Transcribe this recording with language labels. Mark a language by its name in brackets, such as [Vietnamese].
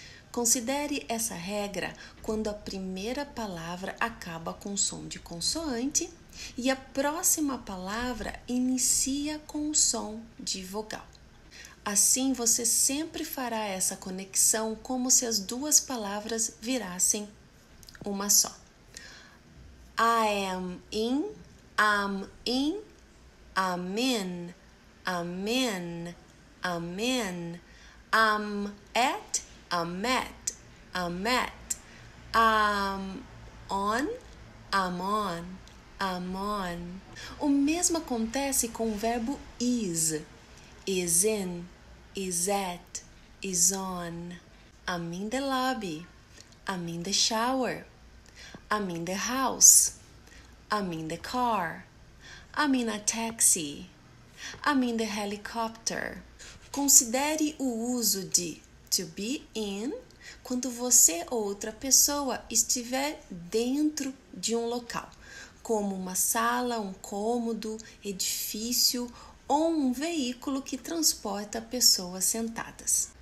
[Portuguese] Considere essa regra quando a primeira palavra acaba com o som de consoante e a próxima palavra inicia com o som de vogal. Assim, você sempre fará essa conexão como se as duas palavras virassem uma só. [English] I am in, I'm in, I'm in, I'm in, I'm in, I'm at, I'm at, I'm at, on, I'm on, I'm on. [Portuguese] O mesmo acontece com o verbo [English] is in, is at, is on. I'm in the lobby, I'm in the shower, I'm in the house, I'm in the car, I'm in a taxi, I'm in the helicopter. [Portuguese] Considere o uso de to be in quando você ou outra pessoa estiver dentro de um local, como uma sala, um cômodo, edifício ou um veículo que transporta pessoas sentadas.